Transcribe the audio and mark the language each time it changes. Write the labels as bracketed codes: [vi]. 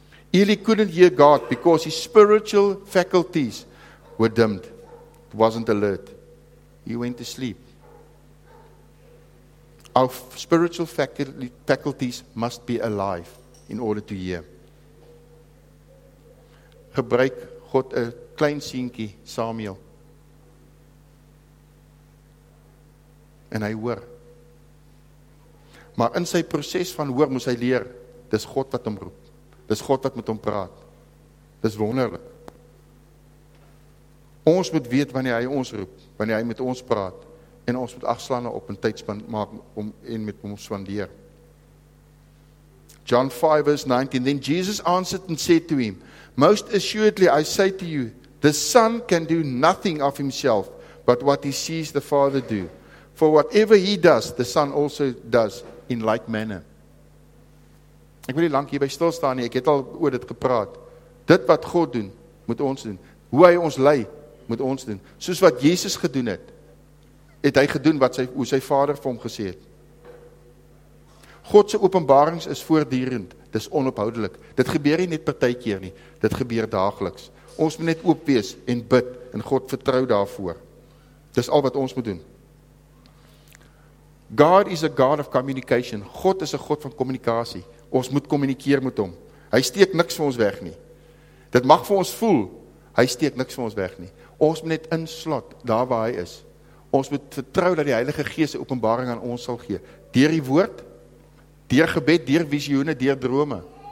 [en] Eli couldn't hear God because his spiritual faculties were dimmed. It wasn't alert. He went to sleep. Our spiritual faculties must be alive in order to hear. [af] Gebruik God 'n klein seentjie, Samuel. En hy hoor. Maar in sy proses van hoor moes hy leer, dis God wat hom roep. Dis God wat met hom praat. Dis wonderlik. Ons moet weet wanneer hy ons roep, wanneer hy met ons praat, en ons moet afslaan op 'n tydspan maak om en met hom spandeer. [en] John 5 verse 19, then Jesus answered and said to him, most assuredly I say to you, the Son can do nothing of himself but what he sees the Father do. For whatever he does, the Son also does in like manner. [af] Ek wil nie lank hierby stilstaan nie, ek het al oor dit gepraat. Dit wat God doen, moet ons doen. Hoe hy ons lei, moet ons doen. Soos wat Jesus gedoen het, het hy gedoen wat sy, hoe sy Vader vir hom gesê het. God se openbarings is voortdurend, dis onophoudelik. Dit gebeur nie net partykeer nie, dit gebeur daagliks. Ons moet net oop wees en bid en God vertrou daarvoor. Dis al wat ons moet doen. [en] God is a God of communication. [af] God is 'n God van kommunikasie. Ons moet kommunikeer met hom. Hy steek niks vir ons weg nie. Dit mag vir ons voel, hy steek niks vir ons weg nie. Ons moet net inslot daar waar hy is. Ons moet vertrou dat die Heilige Gees 'n openbaring aan ons sal gee. Deur die woord, deur gebed, deur visioene, deur drome.